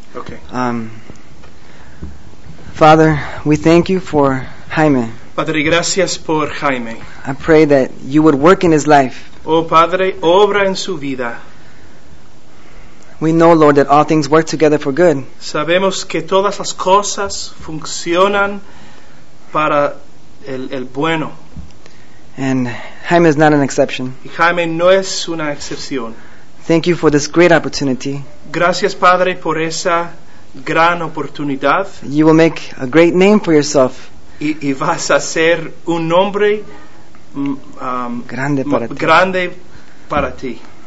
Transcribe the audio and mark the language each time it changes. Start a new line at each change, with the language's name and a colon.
English: Okay. Father, we thank you for Jaime.
Spanish: Padre, gracias por Jaime.
English: I pray that you would work in his life.
Spanish: Oh, Padre, obra en su vida.
English: We know, Lord, that all things work together for good.
Spanish: Sabemos que todas las cosas funcionan para el bueno.
English: And Jaime is not an exception.
Spanish: Y Jaime no es una excepción.
English: Thank you for this great opportunity.
Spanish: Gracias, Padre, por esa gran oportunidad.
English: You will make a great name for yourself.
Spanish: Y vas a ser un nombre grande para ti.